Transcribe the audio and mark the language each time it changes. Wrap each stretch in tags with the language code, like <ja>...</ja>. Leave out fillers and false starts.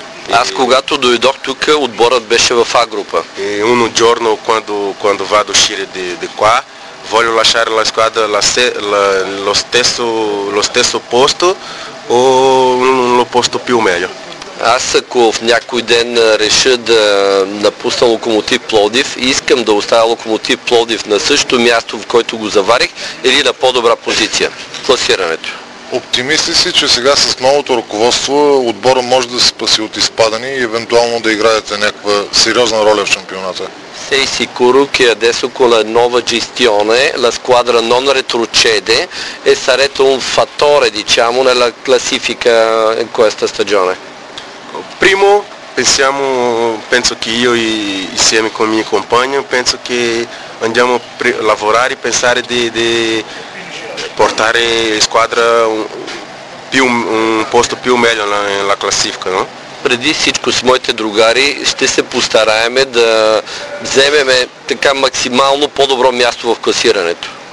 <bg>Аз когато дойдох тук, отборът беше в А група.</bg> <it>E un giorno quando vado uscire di qua, voglio lasciare la squadra lo stesso posto o lo posto più meglio.</it> <bg>Аз ако в някой ден реша да напусна Локомотив Пловдив, искам да оставя Локомотив Пловдив на същото място, в което го заварих, или на по-добра позиция в класирането. Оптимисти си, че сега с новото ръководство отбора може да се спаси от изпадане и евентуално да играете някаква сериозна роля в шампионата?</bg> <it>Sei sicuro che adesso con la nuova gestione la squadra non retrocede e sarete un fattore, diciamo, nella classifica in questa stagione? Primo, penso che io insieme con i miei compagni, penso che andiamo a lavorare e pensare di portare la squadra un posto più meglio nella classifica, no?</it> <bg>Преди всичко с моите другари ще се постараеме да вземем така максимално по-добро място в класирането.</bg>